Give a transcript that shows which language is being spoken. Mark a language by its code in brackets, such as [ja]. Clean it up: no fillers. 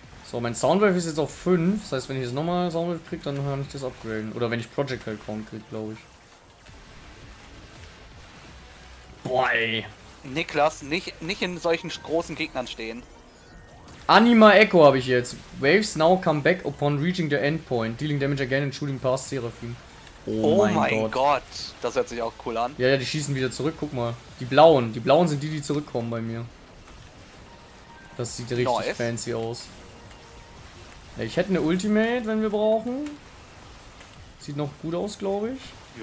[de] So, mein Soundwave ist jetzt auf 5. Das heißt, wenn ich jetzt nochmal Soundwave kriege, dann kann ich das upgraden. Oder wenn ich Projectile Crown kriege, glaube ich. Boah, ey. Niklas, nicht in solchen großen Gegnern stehen. Anima Echo habe ich jetzt. [en] Waves now come back upon reaching the endpoint. Dealing damage again and shooting past Seraphim. [de] Oh mein Gott. Das hört sich auch cool an. Ja, die schießen wieder zurück. Guck mal. Die Blauen sind die zurückkommen bei mir. Das sieht richtig fancy aus. Ja, ich hätte eine Ultimate, wenn wir brauchen. Sieht noch gut aus, glaube ich.